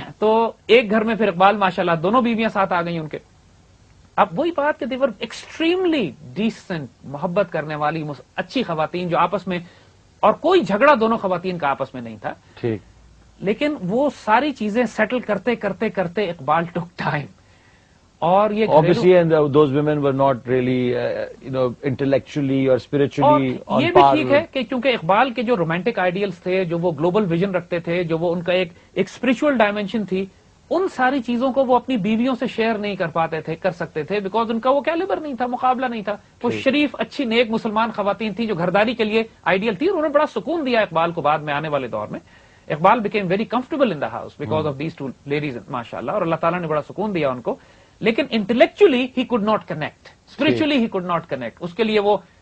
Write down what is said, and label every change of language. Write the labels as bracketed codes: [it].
[ur] تو ایک گھر میں پھر اقبال ماشاءاللہ دونوں بیویاں ساتھ آ گئیں ان کے اب وہی بات کہ دیور ایکسٹریملی ڈیسنٹ محبت کرنے والی اچھی خواتین جو آپس میں اور کوئی جھگڑا دونوں خواتین کا آپس میں نہیں تھا ٹھیک لیکن وہ ساری چیزیں سیٹل کرتے کرتے کرتے اقبال ٹوک ٹائم اور یہ [en] obviously and those women were not really intellectually or spiritually on par [ur] یہ بھی ٹھیک ہے کہ کیونکہ اقبال کے جو رومانٹک آئیڈیلز تھے جو وہ گلوبل ویژن رکھتے تھے جو وہ ان کا ایک اسپرچل ڈائمینشن تھی ان ساری چیزوں کو وہ اپنی بیویوں سے شیئر نہیں کر پاتے تھے کر سکتے تھے بیکاز ان کا وہ کیلیبر نہیں تھا مقابلہ نہیں تھا وہ شریف اچھی نیک مسلمان خواتین تھیں جو گھرداری کے لیے آئیڈیل تھی اور انہوں نے بڑا سکون دیا اقبال کو بعد میں آنے والے دور میں [en] Iqbal became very comfortable in the house because of these two ladies [ur] ماشاء اللہ اور اللہ تعالیٰ نے بڑا سکون دیا ان کو لیکن [en] intellectually he could not connect [ur] spiritually he could not connect اس کے لیے وہ